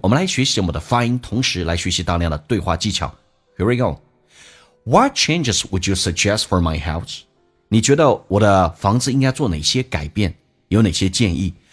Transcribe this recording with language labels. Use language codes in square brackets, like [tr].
[zh] 我们来学习我们的发音，同时来学习大量的对话技巧。 [en] Here we go. What changes would you suggest for my house? [zh] 你觉得我的房子应该做哪些改变，有哪些建议？